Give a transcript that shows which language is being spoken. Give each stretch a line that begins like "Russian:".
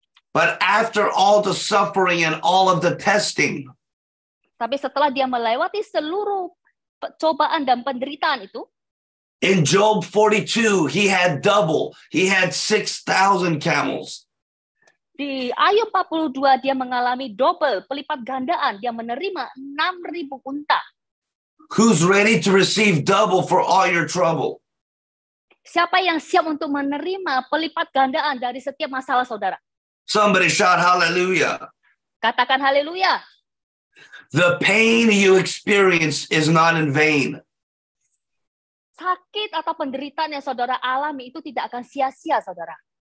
English: But after all the suffering and all of the testing,
Indonesian: tapi setelah dia melewati seluruh cobaan dan penderitaan itu,
English: in Job 42, he had double. He had 6,000 camels.
Indonesian: Di Ayub 42, dia mengalami double, pelipat gandaan. Dia menerima 6,000 unta.
English: Who's ready to receive double for all your trouble?
Indonesian: Siapa yang siap untuk menerima pelipat gandaan dari setiap masalah saudara?
English: Somebody shout hallelujah.
Indonesian: Katakan hallelujah.
English: The pain you experience is not in vain.
Indonesian: Sakit atau penderitaan yang saudara alami itu tidak akan sia-sia, saudara.